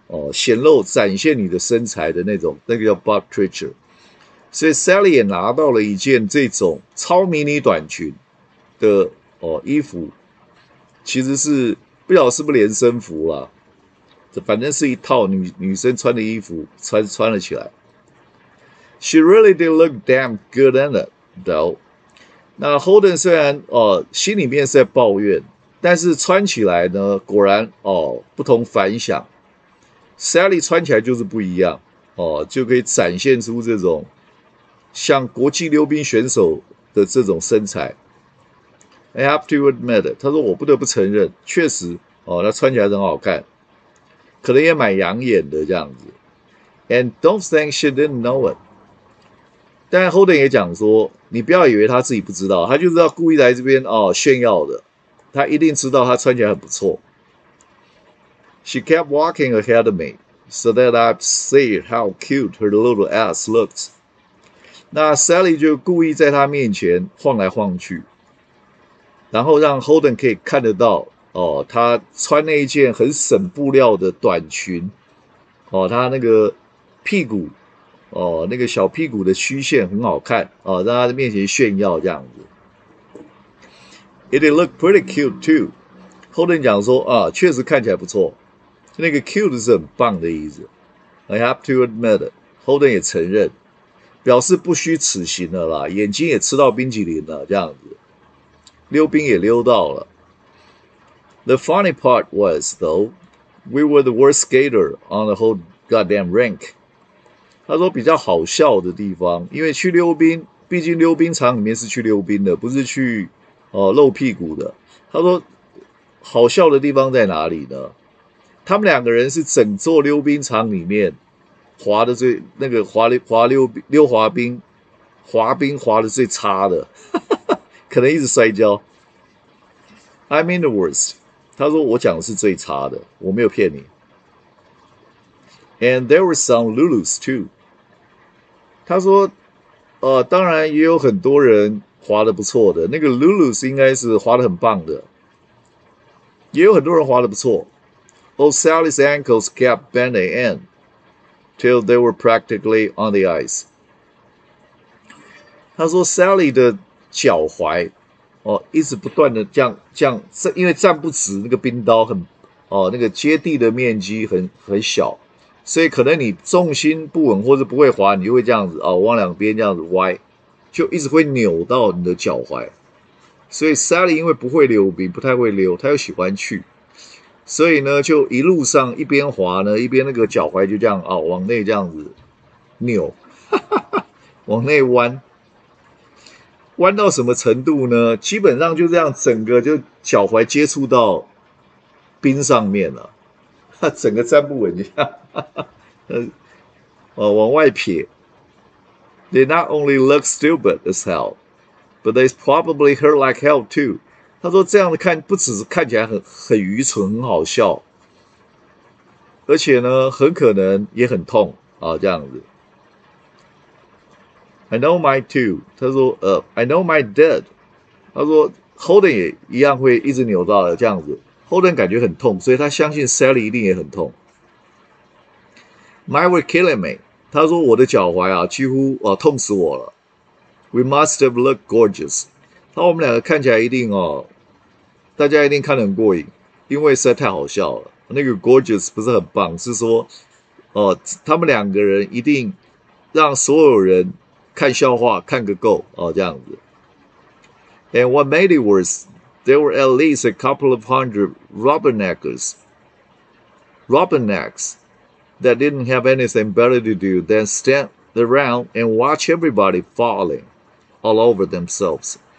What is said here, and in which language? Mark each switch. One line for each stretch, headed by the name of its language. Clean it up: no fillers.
Chinese: 显露展现你的身材的那种，那个叫 butt twitcher，所以 Sally 也拿到了一件这种超迷你短裙的衣服，其实是不晓得是不是连身服啦，反正是一套女生穿的衣服穿了起来。
English: She really did look damn good in it, though.
Chinese: 那 Holden 虽然心里面是在抱怨，但是穿起来呢，果然不同凡响。 Sally 穿起来就是不一样就可以展现出这种像国际溜冰选手的这种身材。
English: I have to admit it.
Chinese: 他说我不得不承认，确实他穿起来很好看，可能也蛮养眼的这样子。
English: And don't think she didn't know it.
Chinese: 但 Holden 也讲说，你不要以为他自己不知道，他就是要故意来这边炫耀的。他一定知道他穿起来很不错。
English: She kept walking ahead of me so that I'd see how cute her little ass looked.
Chinese: 那 Sally 就故意在他面前晃来晃去，然后让 Holden 可以看得到他穿那一件很省布料的短裙他那个屁股那个小屁股的曲线很好看让他的面前炫耀这样子。
English: It looked pretty cute too. Holden
Chinese: 讲说确实看起来不错。那个 cute 是很棒的意思。
English: I have to admit it.
Chinese: Holden 也承认，表示不虚此行了啦，眼睛也吃到冰淇淋了这样子。溜冰也溜到了。
English: The funny part was, though, we were the worst skater on the whole goddamn rink.
Chinese: 他说比较好笑的地方，因为去溜冰，毕竟溜冰场里面是去溜冰的，不是去露屁股的。他说好笑的地方在哪里呢？他们两个人是整座溜冰场里面滑的最那个滑冰滑的最差的。可能一直摔跤。
English: I mean the worst.
Chinese: 他说我讲的是最差的，我没有骗你。
English: And there were some Lulus too.
Chinese: 他说当然也有很多人滑得不错的，那个 Lulus 应该是滑得很棒的。也有很多人滑得不错。
English: Old Sally's ankles kept bending in till they were practically on the ice.
Chinese: 他说 Sally 的脚踝一直不断的这样，因为站不直，那个冰刀很那个接地的面积很小，所以可能你重心不稳或者不会滑，你就会这样子往两边这样子歪，就一直会扭到你的脚踝。所以 Sally 因为不会溜冰，不太会溜，他又喜欢去，所以呢就一路上一边滑呢一边那个脚踝就这样往内这样子扭，往内弯。弯到什么程度呢？基本上就这样，整个就脚踝接触到冰上面了，整个站不稳一样，往外撇。
English: They not only look stupid as hell, but they probably hurt like hell too.
Chinese: 他说这样的看不只是看起来很愚蠢、很好笑，而且呢，很可能也很痛这样子。
English: I know my too.
Chinese: 他说
English: I know my dead.
Chinese: 他说 Holden 也一样会一直扭到这样子。 Holden 感觉很痛，所以他相信 Sally 一定也很痛。
English: My were killing me.
Chinese: 他说我的脚踝几乎痛死我了。
English: We must have looked gorgeous.
Chinese: 他说我们两个看起来一定大家一定看得很过瘾，因为实在太好笑了。那个 gorgeous 不是很棒，是说他们两个人一定让所有人看笑话看个够这样子。
English: And what made it worse, there were at least a couple of hundred rubbernecks that didn't have anything better to do than stand around and watch everybody falling all over themselves.